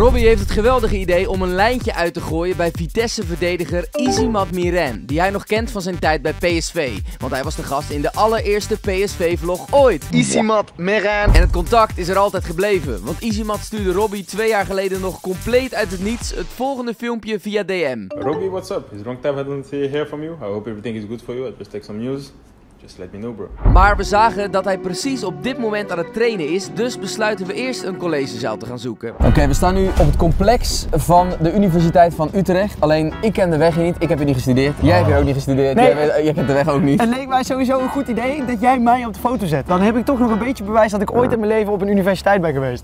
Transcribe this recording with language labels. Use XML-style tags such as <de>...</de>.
<nl>Robbie heeft het geweldige idee om een lijntje uit te gooien bij Vitesse-verdediger Izimat Miren, die hij nog kent van zijn tijd bij PSV. Want hij was de gast in de allereerste PSV-vlog ooit. Izimat Miren. En het contact is er altijd gebleven, want Izimat stuurde Robbie 2 jaar geleden nog compleet uit het niets het volgende filmpje via DM.</nl> <en>Robby, what's up? It's a long time I didn't hear from you. I hope everything is good for you. I just take some news. Just let me know, bro.</en> <nl>Maar we zagen dat hij precies op dit moment aan het trainen is, dus besluiten we eerst een collegezaal te gaan zoeken. Oké, we staan nu op het complex van de Universiteit van Utrecht. Alleen, ik ken de weg hier niet. Ik heb hier niet gestudeerd. Jij hebt hier ook niet gestudeerd. Nee. Jij kent de weg ook niet. Het leek mij sowieso een goed idee dat jij mij op de foto zet. Dan heb ik toch nog een beetje bewijs dat ik ooit in mijn leven op een universiteit ben geweest.</nl>